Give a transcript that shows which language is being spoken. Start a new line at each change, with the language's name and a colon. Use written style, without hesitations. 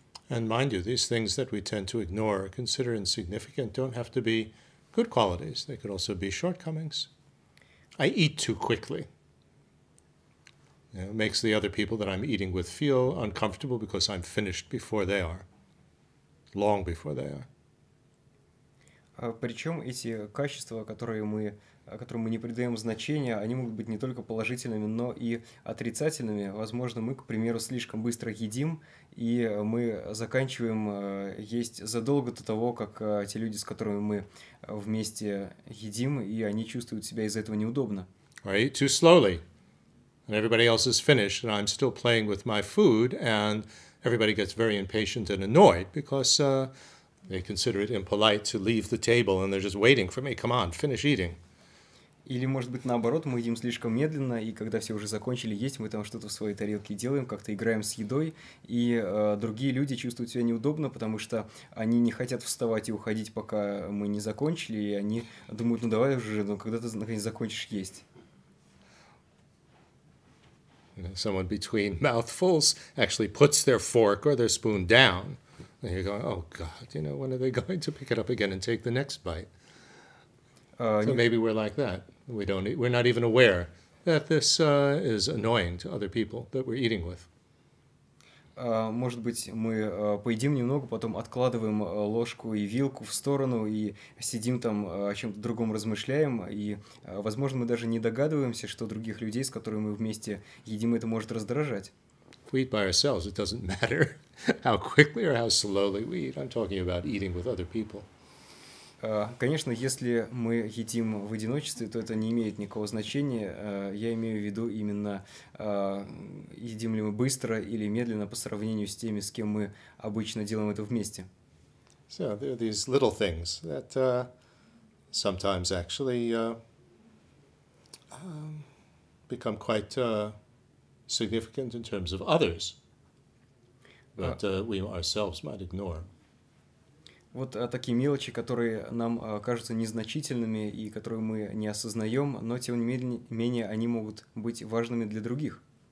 English: And mind you, these things that we tend to ignore or consider insignificant don't have to be good qualities. They could also be shortcomings. I eat too quickly. You know, it makes the other people that I'm eating with feel uncomfortable because I'm finished before they are, long before they are.
Russian: Причем эти качества, которым мы не придаем значения, они могут быть не только положительными, но и отрицательными. Возможно, мы, к примеру, слишком быстро едим, и мы заканчиваем есть задолго до того, как те люди, с которыми мы вместе едим, и они чувствуют себя из-за этого неудобно.
English: I eat too slowly, and everybody else is finished, and I'm still playing with my food, and everybody gets very impatient and annoyed, because they consider it impolite to leave the table, and they're just waiting for me. Come on, finish eating.
Russian: Или, может быть, наоборот, мы едим слишком медленно, и когда все уже закончили есть, мы там что-то в своей тарелке делаем, как-то играем с едой, и другие люди чувствуют себя неудобно, потому что они не хотят вставать и уходить, пока мы не закончили, и они думают, ну давай уже, ну когда ты наконец закончишь есть.
English: Someone between mouthfuls actually puts their fork or their spoon down, and you're going, oh God, you know, when are they going to pick it up again and take the next bite? So maybe we're like that. We're not even aware that this is annoying to other people that we're eating with.
Russian: Может быть, мы поедим немного, потом откладываем ложку и вилку в сторону и сидим там о чем-то другом размышляем. И, возможно, мы даже не догадываемся, что других людей, с которыми мы вместе едим, это может раздражать.
English: If we eat by ourselves, it doesn't matter how quickly or how slowly we eat. I'm talking about eating with other people.
Russian: Конечно, если мы едим в одиночестве, то это не имеет никакого значения. Я имею в виду именно, едим ли мы быстро или медленно по сравнению с теми, с кем мы обычно делаем это вместе.
English: So, there are these little things that sometimes actually become quite significant in terms of others, but we ourselves might ignore.
Russian: Вот такие мелочи, которые нам кажутся незначительными и которые мы не осознаем, но тем не менее они могут быть важными для других.